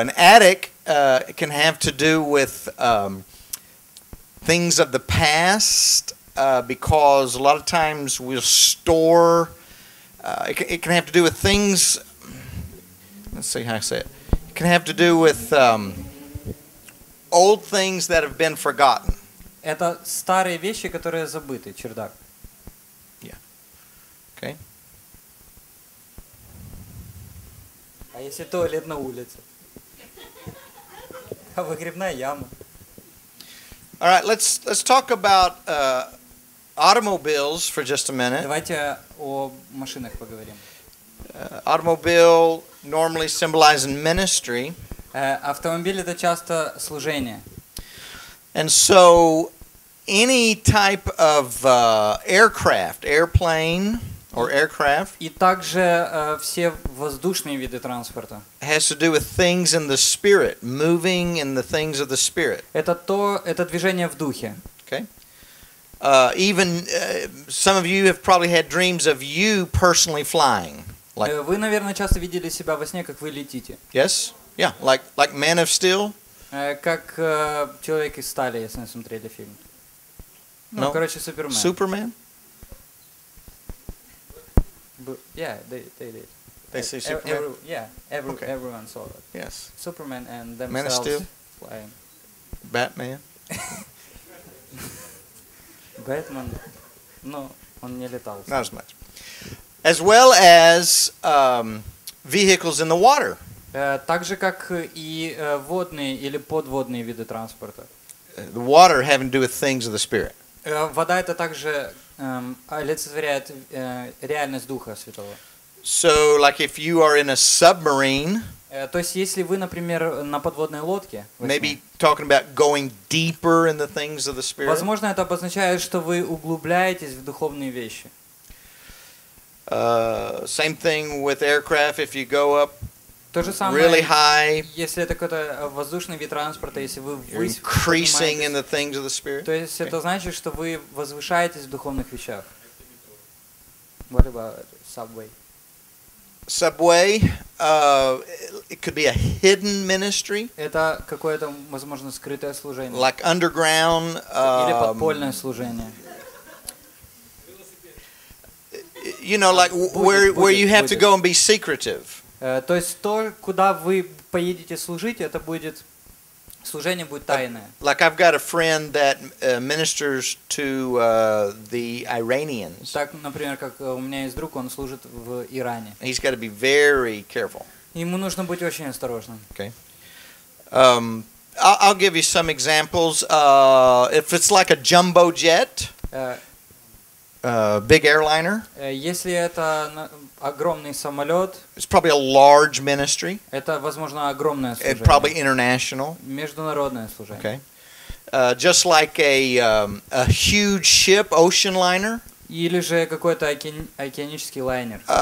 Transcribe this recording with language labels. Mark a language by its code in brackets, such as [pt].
[en] An attic can have to do with things of the past because a lot of times we'll store... it can have to do with things... Let's see how I say it. It can have to do with old things that have been forgotten. [ru] Это старые вещи, которые забыты, чердак. [en] Yeah. Okay. [ru] А если туалет на улице? А выгребная яма. [en] All right, let's talk about automobiles for just a minute. [ru] Давайте о машинах поговорим. [en] Automobile normally symbolizes ministry. [ru] Автомобиль это часто служение. [en] And so any type of aircraft, airplane or aircraft. [ru] И также все воздушные виды транспорта. [en] Has to do with things in the spirit, moving in the things of the spirit. [ru] Это движение в духе. [en] Okay. Some of you have probably had dreams of you personally flying. Like. [ru] Вы, наверное, часто видели себя во сне, как вы летите. [en] Yes. Yeah. Like Man of Steel. [ru] Как человек из стали, если смотрели фильм. [en] No. [ru] Ну, короче, Супермен. [en] Superman? Yeah, they did. They say Superman? Okay. Everyone saw that. Yes. Superman and themselves Man of Steel? Flying. Batman? Batman? No, [ru] он не летал. [en] Not as much. As well as vehicles in the water. [ru] Так же, как и водные или подводные виды транспорта. [en] The water having to do with things of the spirit. [ru] Вода это также олицетворяет реальность Духа Святого. [en] So, like if you are in a submarine, [ru] то есть если вы, например, на подводной лодке, [en] maybe talking about going deeper in the things of the Spirit. [ru] Возможно, это обозначает, что вы углубляетесь в духовные вещи. [en] Same thing with aircraft. If you go up really high, [ru] если это какой-то воздушный вид транспорта, если вы [en] increasing in the things of the Spirit. [ru] То есть это значит, что вы возвышаетесь в духовных вещах. [en] What about subway? Subway, it could be a hidden ministry. [ru] Это какое-то, возможно, скрытое служение. [en] Like underground. [ru] Или подпольное служение. [en] You know, like where you have to go and be secretive. [ru] То есть то, куда вы поедете служить, это будет служение будет тайное. [en] Like I've got a friend that ministers to the Iranians. [ru] Так, например, как у меня есть друг, он служит в Иране. [en] He's got to be very careful. [ru] Ему нужно быть очень осторожным. [en] Okay. I'll give you some examples. If it's like a jumbo jet, big airliner. [ru] Если это огромный самолет. [en] It's probably a large ministry. [ru] Это, возможно, огромное служение. [en] It's probably international. [ru] Международное служение. [en] Okay. Just like a huge ship, ocean liner. [ru] Или же какой-то океанический лайнер.